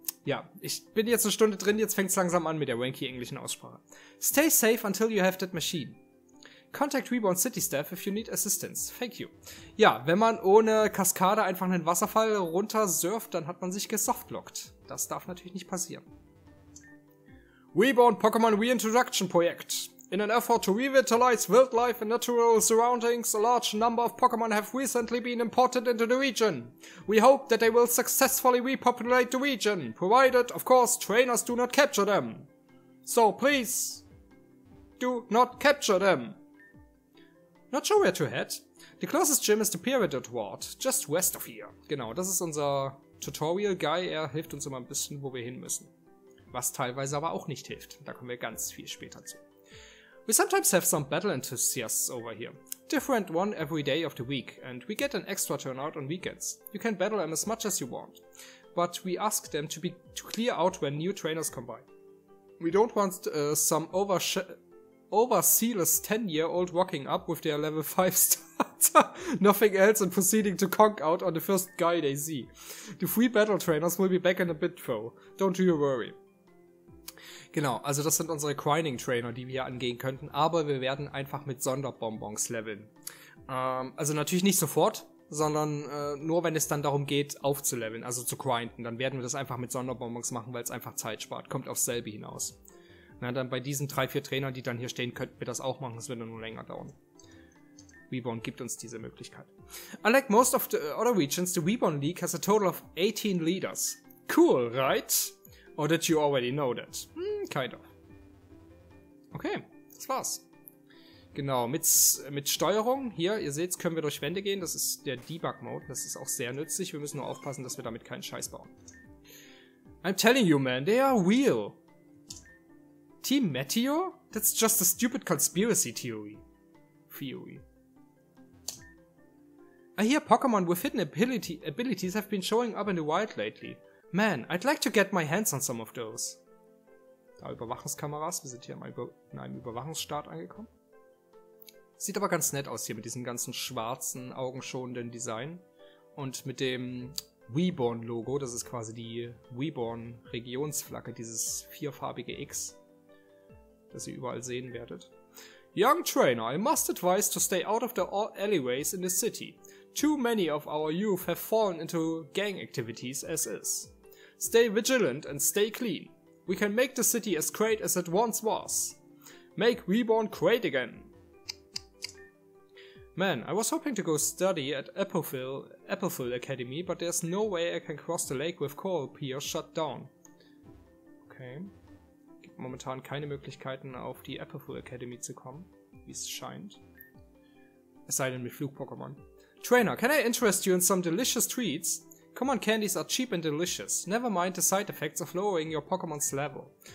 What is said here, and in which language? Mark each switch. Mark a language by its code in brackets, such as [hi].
[de] Ja, ich bin jetzt eine Stunde drin, jetzt fängt es langsam an mit der wanky englischen Aussprache. [en] Stay safe until you have that machine. Contact Reborn City Staff if you need assistance. Thank you. [de] Ja, wenn man ohne Kaskade einfach einen Wasserfall runter surft, dann hat man sich gesoftlockt. Das darf natürlich nicht passieren. [en] Reborn Pokémon Reintroduction Projekt. In an effort to revitalize wildlife and natural surroundings, a large number of Pokémon have recently been imported into the region. We hope that they will successfully repopulate the region, provided, of course, trainers do not capture them. So, please, do not capture them. Not sure where to head. The closest gym is the Pyramid Ward, just west of here. [de] Genau, das ist unser Tutorial Guy, er hilft uns immer ein bisschen, wo wir hin müssen. Was teilweise aber auch nicht hilft, da kommen wir ganz viel später zu. [en] We sometimes have some battle enthusiasts over here. Different one every day of the week, and we get an extra turnout on weekends. You can battle them as much as you want, but we ask them to be to clear out when new trainers come by. We don't want some overzealous 10-year-old walking up with their level 5 starter, nothing else, and proceeding to conk out on the first guy they see. The free battle trainers will be back in a bit, though. Don't you worry. [de] Genau, also das sind unsere Grinding Trainer, die wir hier angehen könnten, aber wir werden einfach mit Sonderbonbons leveln. Also natürlich nicht sofort, sondern nur wenn es dann darum geht, aufzuleveln, also zu grinden, dann werden wir das einfach mit Sonderbonbons machen, weil es einfach Zeit spart, kommt aufs selbe hinaus. Na, dann bei diesen 3-4 Trainern, die dann hier stehen, könnten wir das auch machen, es würde nur länger dauern. Reborn gibt uns diese Möglichkeit. [en] Unlike most of the other regions, the Reborn League has a total of 18 leaders. Cool, right? Or did you already know that? Kind of. [de] Okay, das war's. Genau, mit Steuerung, hier, ihr seht, können wir durch Wände gehen. Das ist der Debug-Mode. Das ist auch sehr nützlich. Wir müssen nur aufpassen, dass wir damit keinen Scheiß bauen. [en] I'm telling you, man, they are real. Team Meteor? That's just a stupid conspiracy theory. I hear Pokémon with hidden abilities have been showing up in the wild lately. Man, I'd like to get my hands on some of those. [de] Da Überwachungskameras, wir sind hier in einem Überwachungsstaat angekommen. Sieht aber ganz nett aus hier mit diesem ganzen schwarzen, augenschonenden Design. Und mit dem Reborn-Logo, das ist quasi die Reborn-Regionsflagge, dieses vierfarbige X, das ihr überall sehen werdet. [en] Young Trainer, I must advise to stay out of the alleyways in the city. Too many of our youth have fallen into gang activities as is. Stay vigilant and stay clean. We can make the city as great as it once was. Make Reborn great again. Man, I was hoping to go study at Applefield Academy, but there's no way I can cross the lake with Coral Pier shut down. Okay. [de] Gibt momentan keine Möglichkeiten, auf die Applefield Academy zu kommen, wie es scheint. Es sei denn mit Flug-Pokémon. [en] Trainer, can I interest you in some delicious treats? Come on, candies are cheap and delicious. Never mind the side effects of lowering your Pokémon's level.